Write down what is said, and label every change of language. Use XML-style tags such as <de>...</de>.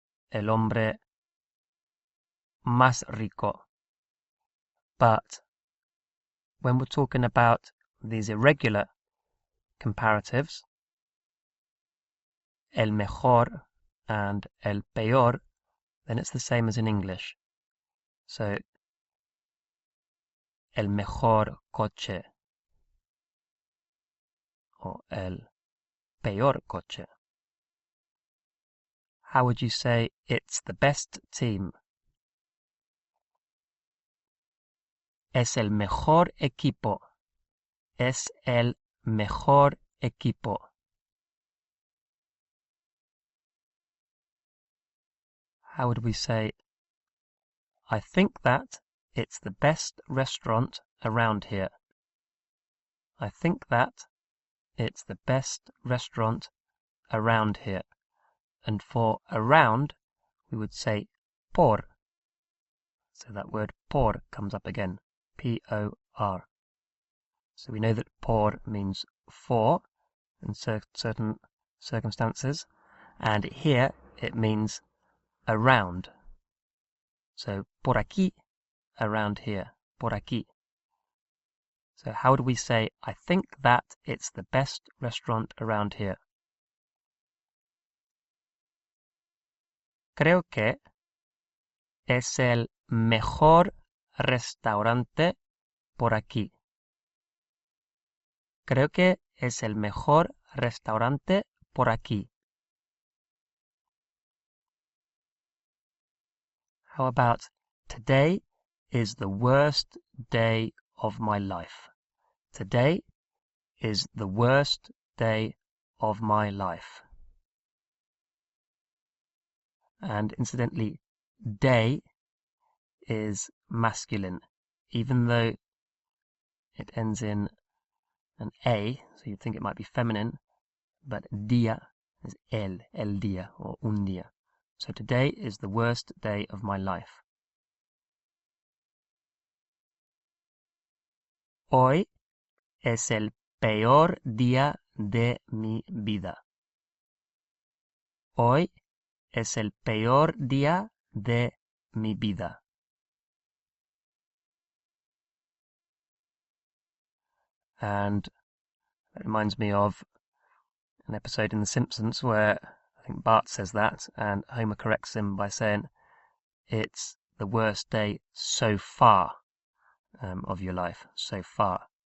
<es>El hombre más rico.</es> <en>But when we're talking about these irregular comparatives,</en> <es>el mejor</es> <en>and</en> <es>el peor,</es> <en>then it's the same as in English.</en> <es>So, el mejor coche o el peor coche.</es> <en>How would you say it's the best team?</en> <es>Es el mejor equipo. Es el mejor equipo.</es> <en>How would we say, I think that It's the best restaurant around here. I think that it's the best restaurant around here. And for around, we would say por. So that word por comes up again, P-O-R. So we know that por means for in certain circumstances, and here it means around.</en> <es>So por aquí,</es> <en>around here,</en> <es>por aquí.</es> <en>So how do we say, I think that it's the best restaurant around here?</en> <es>Creo que es el mejor restaurante por aquí. Creo que es el mejor restaurante por aquí.</es> <en>How about today is the worst day of my life? Today is the worst day of my life. And incidentally, day is masculine, even though it ends in an A, so you'd think it might be feminine, but día is</en> <es>el día</es> <en>or</en> <es>un día.</es> <en>So today is the worst day of my life.</en> <es>Hoy es el peor día de mi vida. Hoy es el peor día de mi vida.</es> <en>And that reminds me of an episode in The Simpsons where I think Bart says that and Homer corrects him by saying, it's the worst day so far of your life, so far.</en>